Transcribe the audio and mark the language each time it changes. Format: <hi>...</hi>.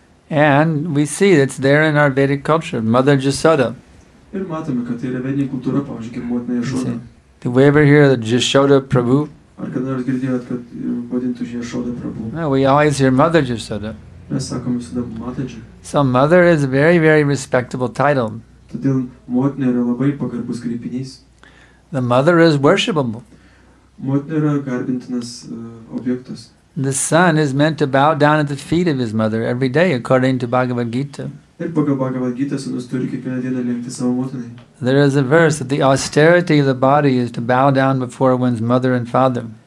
<en>And we see it's there in our Vedic culture, Mother Jasoda.</en> <lt>Ir matome, kad tai yra vedinė kultūra, pavyzdžiui, kaip motina Jašoda.</lt> <en>Did we ever hear that Jashoda Prabhu?</en> <lt>Ar kada nors girdėjot, kad vadintų Jashoda Prabhu?</lt> <en>No, we always hear Mother Jashoda.</en> <lt>Mes sakome visada Mataji.</lt> <en>So Mother is a very, very respectable title.</en> <lt>Todėl motina yra labai pagarbus kreipinys.</lt> <en>The Mother is worshipable.</en> <lt>Motina yra garbintinas objektas.</lt> <en>The son is meant to bow down at the feet of his mother every day, according to Bhagavad Gita. There is a verse that the austerity of the body is to bow down before one's mother and father.</en>